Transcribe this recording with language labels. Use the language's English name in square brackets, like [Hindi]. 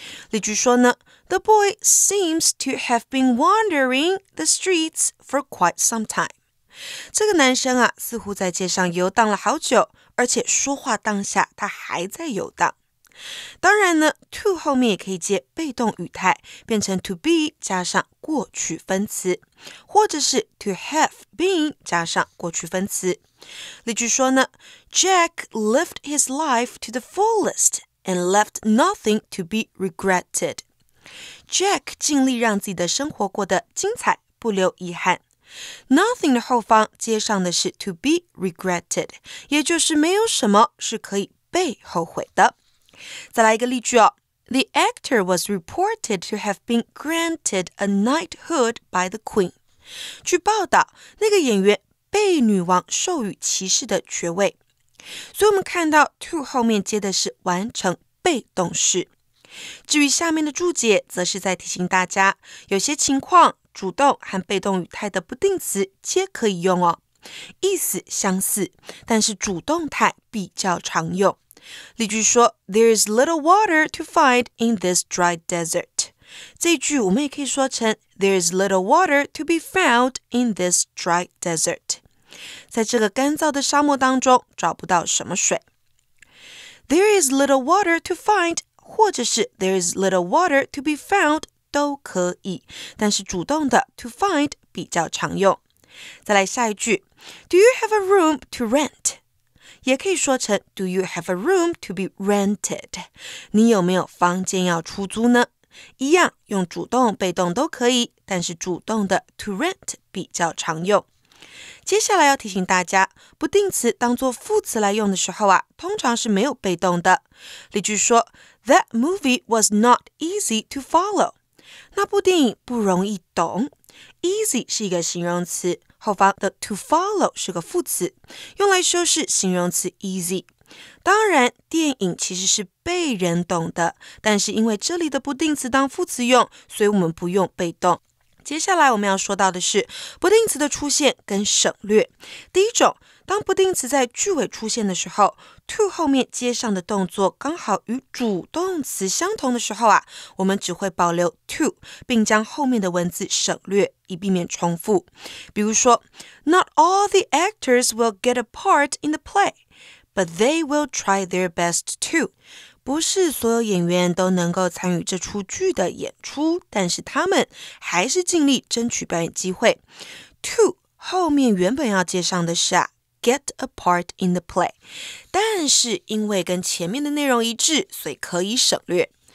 [Chinese] 例句说呢 [English] ,The boy seems to have been wandering the streets for quite some time. [Chinese] 这个男生啊似乎在街上游荡了好久，而且说话当下他还在游荡。当然呢 ,to 后面也可以接被动语态，变成 to be 加上过去分词，或者是 to have been 加上过去分词。 [English] 例句说呢 ,Jack lived his life to the fullest. And left nothing to be regretted. [Chinese] Jack 尽力让自己的生活过得精彩，不留遗憾。 Nothing 的后方接上的是 [English] to be regretted， [Chinese] 也就是没有什么是可以被后悔的。再来一个例句哦 [English] ，The actor was reported to have been granted a knighthood by the queen. [Chinese] 据报道，那个演员被女王授予骑士的爵位。所以我们看到 to 后面接的是完成被动式。至于下面的注解则是在提醒大家，有些情况主动和被动语态的不定词皆可以用哦，意思相似，但是主动态比较常用。例句说 [English] There is little water to find in this dry desert. [Chinese] 这句我们也可以说成 [English] There is little water to be found in this dry desert. [Chinese] 在这个干燥的沙漠当中找不到什么水。 [English] There is little water to find, [Chinese] 或者是 [English] there is little water to be found, [Chinese] 都可以。但是主动的 to find 比较常用。再来下一句 [English] ,Do you have a room to rent? [Chinese] 也可以说成 [English] ,Do you have a room to be rented? [Chinese] 你有没有房间要出租呢？一样用主动、被动都可以，但是主动的 to rent 比较常用。接下来要提醒大家，不定词当作副词来用的时候啊，通常是没有被动的。例句说 [English] ,That movie was not easy to follow. [Chinese] 那部电影不容易懂。Easy 是一个形容词，后方的 to follow 是个副词，用来修饰形容词 easy。当然，电影其实是被人懂的，但是因为这里的不定词当副词用，所以我们不用被动。接下来我们要说到的是不定词的出现跟省略。第一种，当不定词在句尾出现的时候 to 后面接上的动作刚好与主动词相同的时候啊，我们只会保留 to 并将后面的文字省略以避免重复。比如说 [English] Not all the actors will get a part in the play, but they will try their best to. [Chinese] 不是所有演员都能够参与这出剧的演出，但是他们还是尽力争取表演机会。 To 后面原本要接上的是啊 ， [English] get a part in the play， [Chinese] 但是因为跟前面的内容一致，所以可以省略。